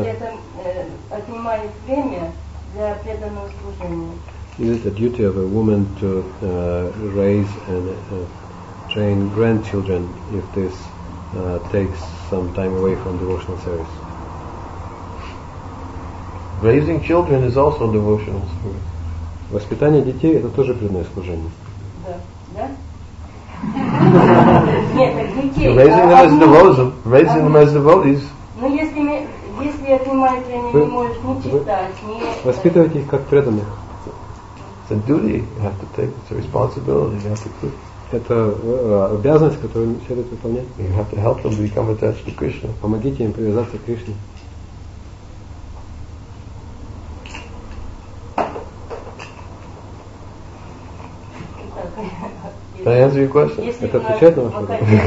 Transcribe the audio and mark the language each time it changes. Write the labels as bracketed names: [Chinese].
[Russian] Если это отнимает время для преданного служения. [English] Is it the duty of a woman to raise and train grandchildren if this takes some time away from devotional service? Raising children is also devotional service. [Russian] Воспитание детей – это тоже преданное служение. Да. Нет, так детей. [English] Raising them as devotees. [Russian] Но если отнимает время, не можешь ни читать, ни... Воспитывайте их как преданных. [English] It's a duty you have to take. It's a responsibility you have to put. [Russian] Это обязанность, которую следует выполнять. [English] You have to help them become attached to Krishna. [Russian] Помогите им привязаться к Кришне. [English] Can I answer your question? [Russian] Это отвечает на ваш вопрос?